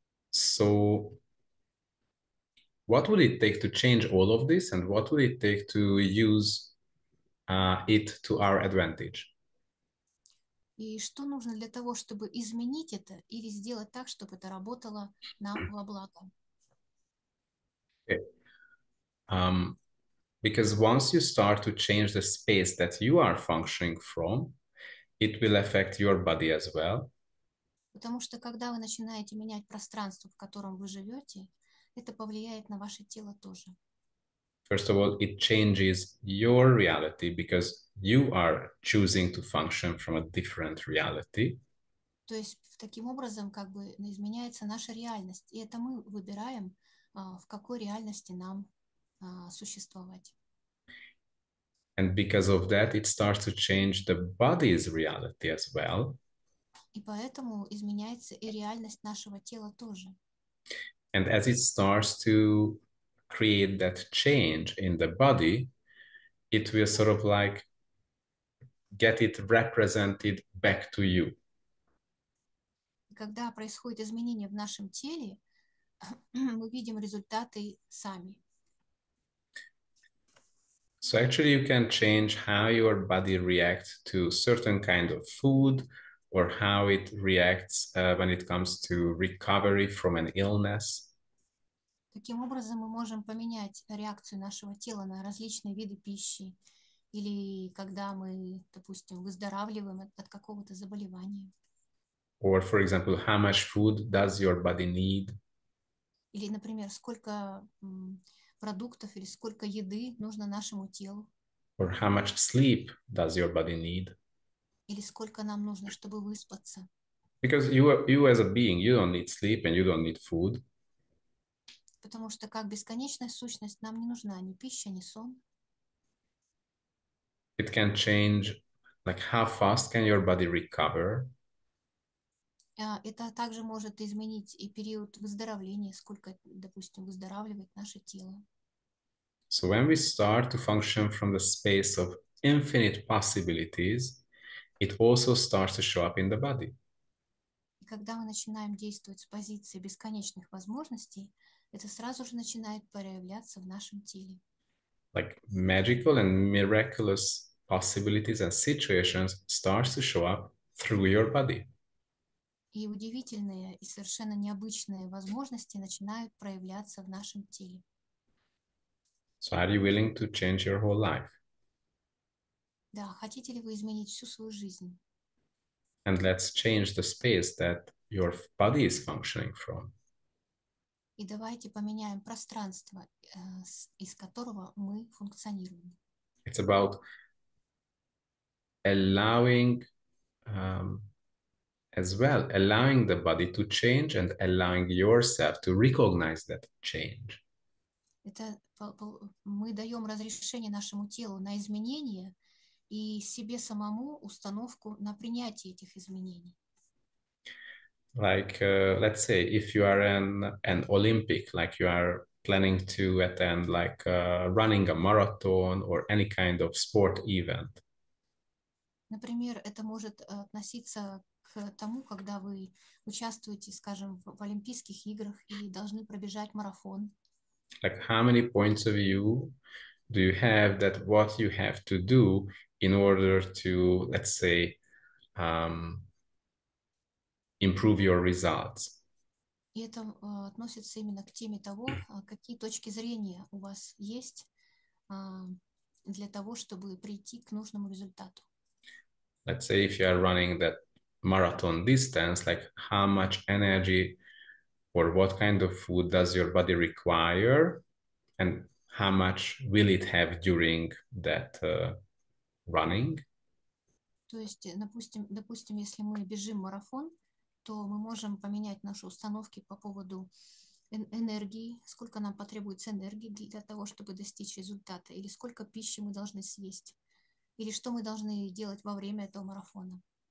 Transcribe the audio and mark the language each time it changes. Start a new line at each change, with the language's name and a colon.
English: So, what would it take to change all of this, and what would it take to use it to our advantage?
Russian: И что нужно для того, чтобы изменить это или сделать так, чтобы это работало нам во благо?
English: Because once you start to change the space that you are functioning from, it will affect your body as well.
Russian: Потому что когда вы начинаете менять пространство, в котором вы живете, это повлияет на ваше тело тоже.
English: First of all, it changes your reality because you are choosing to function from a different reality.
Russian: То есть таким образом как бы изменяется наша реальность, и это мы выбираем, в какой реальности нам существовать.
English: And because of that, it starts to change the body's reality as well.
Russian: И поэтому изменяется и реальность нашего тела тоже.
English: And as it starts to create that change in the body, it will sort of like get it represented back to you.
Russian: Когда происходит изменение в нашем теле, мы видим результаты сами.
English: So actually you can change how your body reacts to certain kind of food or how it reacts when it comes to recovery from an illness.
Russian: Таким образом, мы можем поменять реакцию нашего тела на различные виды пищи или когда мы, допустим, выздоравливаем от какого-то заболевания.
English: Or, for example, how much food does your body need?
Russian: Или, например, сколько продуктов или сколько еды нужно нашему телу.
English: Or how much sleep does your body need?
Russian: Или сколько нам нужно, чтобы выспаться.
English: Because you as a being, you don't need sleep and you don't need food.
Russian: Потому что как бесконечная сущность нам не нужна ни пища, ни сон.
English: It can change, like how fast can your body recover?
Russian: Это также может изменить и период выздоровления, сколько, допустим, выздоравливает наше тело.
English: So when we start to function from the space of infinite possibilities, it also starts to show up in the body.
Russian: И когда мы начинаем действовать с позиции бесконечных возможностей, это сразу же начинает проявляться в нашем теле.
English: Like magical and miraculous possibilities and situations start to show up through your body.
Russian: И удивительные и совершенно необычные возможности начинают проявляться в нашем теле.
English: So, are you willing to change your whole life?
Russian: Да, хотите ли вы изменить всю свою жизнь?
English: And let's change the space that your body is functioning from.
Russian: И давайте поменяем пространство, из которого мы функционируем.
English: It's about allowing, as well, allowing the body to change and allowing yourself to recognize that change.
Russian: Это мы даем разрешение нашему телу на изменения и себе самому установку на принятие этих изменений.
English: Like, let's say if you are an Olympic, like you are planning to attend like running a marathon or any kind of sport event.
Russian: Например, это может относиться к тому, когда вы участвуете, скажем, в Олимпийских играх и должны пробежать марафон.
English: Like, how many points of view do you have that what you have to do in order to, let's say, improve your results.
Russian: И это относится именно к теме того, какие точки зрения у вас есть для того, чтобы прийти к нужному результату.
English: Let's say if you are running that marathon distance, like how much energy or what kind of food does your body require, and how much will it have during that running?
Russian: То есть, допустим, если мы бежим марафон, то мы можем поменять наши установки по поводу энергии, сколько нам потребуется энергии для того, чтобы достичь результата, или сколько пищи мы должны съесть, или что мы должны делать во время этого марафона.